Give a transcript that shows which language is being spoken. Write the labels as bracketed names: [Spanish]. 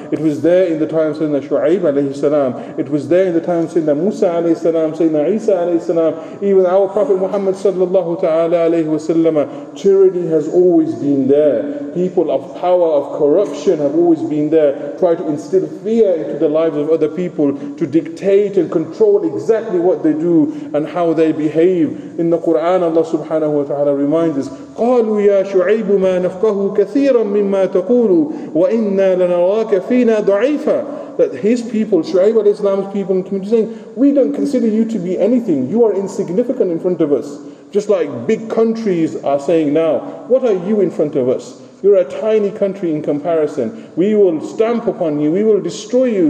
[English] It was there in the time of Sayyidina Shu'aib alayhi salam. It was there in the time of Sayyidina Musa alayhi salam, Sayyidina Isa alayhi salam, even our Prophet Muhammad sallallahu ta'ala alayhi wa sallam. Tyranny has always been there. People of power, of corruption have always been there, try to instill fear into the lives of other people, to dictate and control exactly what they do and how they behave. In the Quran, Allah subhanahu wa ta'ala reminds us, [Arabic] قَالُوا يَا شُعَيْبُ مَا نَفْقَهُ كَثِيرًا مِمَّا تَقُولُ وَإِنَّا لَنَرَاكَ فِينَا ضَعِيفًا. [English] That his people, Shu'aib al-Islam's people and community, saying, we don't consider you to be anything, you are insignificant in front of us. Just like big countries are saying now, what are you in front of us? You're a tiny country in comparison. We will stamp upon you. We will destroy you.